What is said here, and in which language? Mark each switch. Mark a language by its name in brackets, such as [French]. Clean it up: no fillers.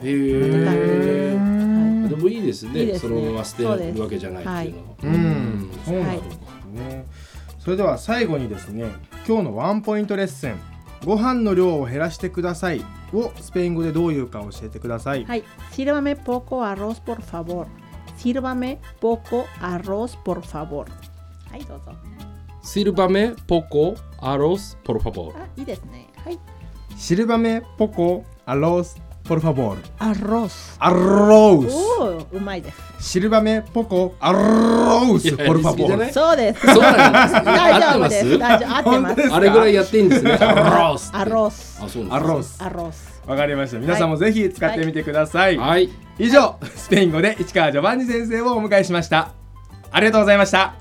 [Japanese] へー、持って帰って、はい、でもいいですね。いいですね。そのまま捨てるわけじゃないっていうのは、はい、うん、そうなんですね。はい、それでは最後にですね、今日のワンポイントレッスン、ご飯の量を減らしてくださいをスペイン語でどういうか教えてください。 [Spanish] はい、sírvame poco arroz por favor. Sírvame poco arroz por favor. [Japanese] はい、どうぞ。 [Spanish] Sírvame poco arroz por favor. [Japanese] あ、いいですね。はい、 [Spanish] Sírvame poco arroz por favor. Arroz. Arroz. [Japanese] おお、うまいです。 [Spanish] シルバメポコアローズポルファボール。 [Japanese] そうです。そうなんです。大丈夫です。大丈夫、合ってます。あれぐらいやっていいんですね。 [Spanish] アロースアロース。 [Japanese] あ、そうなんです [Spanish] 。アロース、アロース。 [Japanese] わかりました。皆さんもぜひ使ってみてください。はい、以上、スペイン語で市川ジョバンニ先生をお迎えしました。ありがとうございました。